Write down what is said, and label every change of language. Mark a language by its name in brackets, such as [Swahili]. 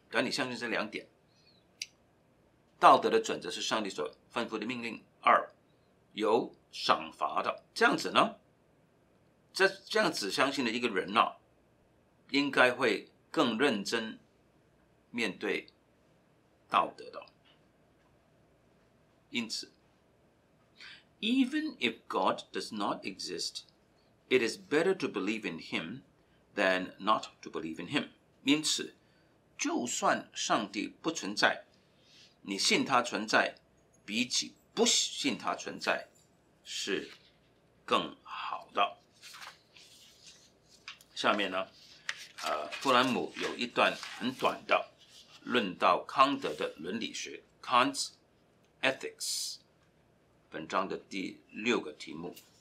[Chinese] 但你相信这两点，道德的准则是上帝所吩咐的命令，二，有赏罚的。这样子呢，这样子相信的一个人呢，应该会更认真面对道德的。因此 [English] Even if God does not exist, it is better to believe in him than not to believe in him. [Chinese] 因此就算上帝不存在，你信他存在比起不信他存在是更好的。下面呢，弗兰姆有一段很短的论到康德的伦理学 Kant's Ethics 本章的第六个题目。